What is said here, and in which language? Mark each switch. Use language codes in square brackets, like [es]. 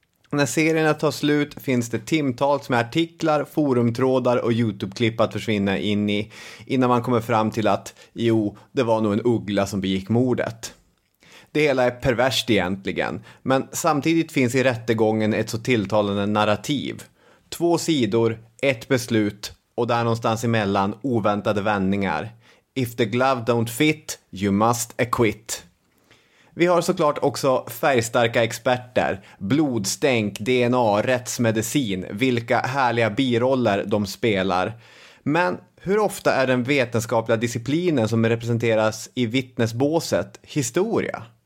[sv] När serierna tar slut finns det timtals med artiklar, forumtrådar och YouTube-klipp att försvinna in i innan man kommer fram till att, jo, det var nog en uggla som begick mordet. Det hela är perverst egentligen, men samtidigt finns i rättegången ett så tilltalande narrativ. Två sidor, ett beslut och där någonstans emellan oväntade vändningar. [en] If the glove don't fit, you must acquit. [sv] Vi har såklart också färgstarka experter, blodstänk, DNA, rättsmedicin, vilka härliga biroller de spelar. Men hur ofta är den vetenskapliga disciplinen som representeras i vittnesbåset historia?